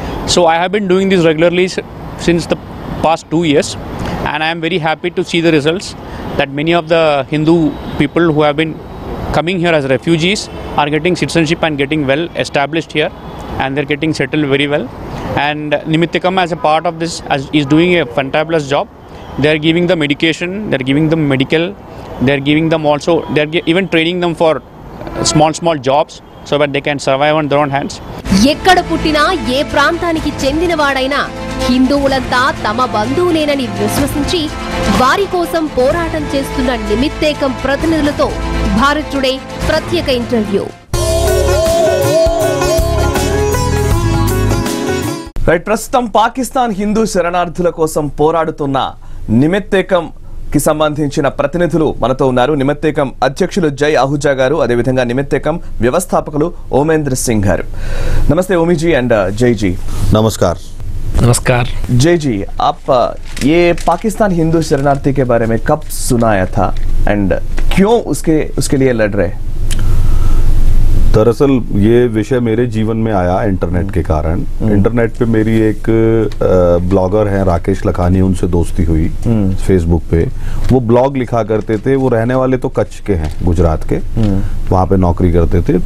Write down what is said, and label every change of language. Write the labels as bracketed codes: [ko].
[en] So I have been doing this regularly since the past 2 years, and I am very happy to see the results that many of the Hindu people who have been coming here as refugees are getting citizenship and getting well established here, and they're getting settled very well, And Nimittikam, as a part of this, is doing a fantabulous job. They are giving them education, they are giving them medical, they are giving them also, they are even training them for small jobs so that they can survive on their own hands. [te] ఎక్కడ పుట్టినా ఏ ప్రాంతానికి చెందినవాడైనా హిందువులంతా తమ బంధువులేనని విశ్వసించి వారి కోసం పోరాటం చేస్తున్న నిమిత్తేకం ప్రతినిధులతో భారత్ టుడే ప్రత్యేక ఇంటర్వ్యూ. రైట్, ప్రస్తుతం పాకిస్తాన్ హిందూ శరణార్థుల కోసం పోరాడుతున్న నిమిత్తేకం కి సంబంధించిన ప్రతినిధులు మనతో ఉన్నారు. నిమిత్తేకం అధ్యక్షులు జై ఆహుజా గారు, అదేవిధంగా నిమిత్తేకం వ్యవస్థాపకులు ఓమేంద్ర సింగ్ గారు. నమస్తే ఓమిజీ అండ్ జైజీ. [hi] నమస్కార్. నమస్కార్ జైజీ. ఆప్ ఏ పాకిస్తాన్ హిందూ శరణార్థి కే బారే మే కబ్ సునాయా థా అండ్ క్యూ ఉస్కే ఉస్కే లియే లడ్ రహే? दरअसल ये विषय मेरे जीवन में आया इंटरनेट के कारण. इंटरनेट पे मेरी एक ब्लॉगर हैं राकेश लखानी, उनसे दोस्ती हुई फेसबुक पे. वो ब्लॉग लिखा करते थे, वो रहने वाले तो कच्छ के हैं, गुजरात के, वहां पे नौकरी करते थे.